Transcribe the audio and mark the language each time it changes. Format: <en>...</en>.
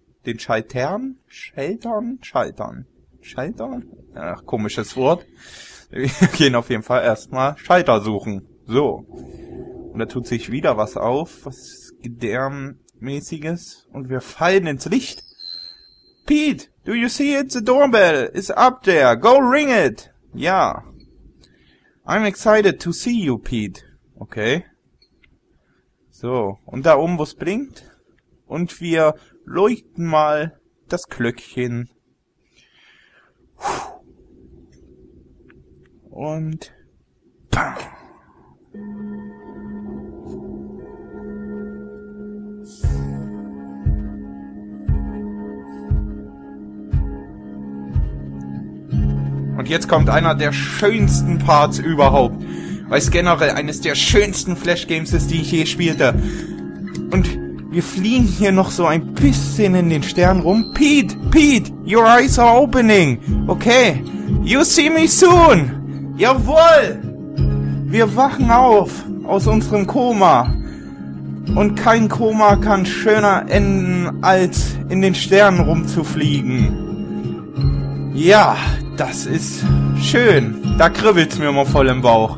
<de>Den Schaltern? Schaltern? Schaltern? Schaltern? Ach, komisches Wort. Wir gehen auf jeden Fall erstmal Schalter suchen. So. Und da tut sich wieder was auf, was Gedärmmäßiges. Und wir fallen ins Licht.</de> <en>Pete, do you see it? The doorbell is up there. Go ring it. Ja. I'm excited to see you, Pete. Okay.</en> <de>So, und da oben, wo es blinkt. Und wir leuchten mal das Glöckchen. Und bam. Und jetzt kommt einer der schönsten Parts überhaupt, weil es generell eines der schönsten Flash-Games ist, die ich je spielte. Und wir fliegen hier noch so ein bisschen in den Stern rum.</de> <en>Pete, Pete, your eyes are opening. Okay, you see me soon.</en> <de>Jawohl, wir wachen auf aus unserem Koma. Und kein Koma kann schöner enden, als in den Sternen rumzufliegen. Ja, das ist schön. Da kribbelt's mir immer voll im Bauch.</de>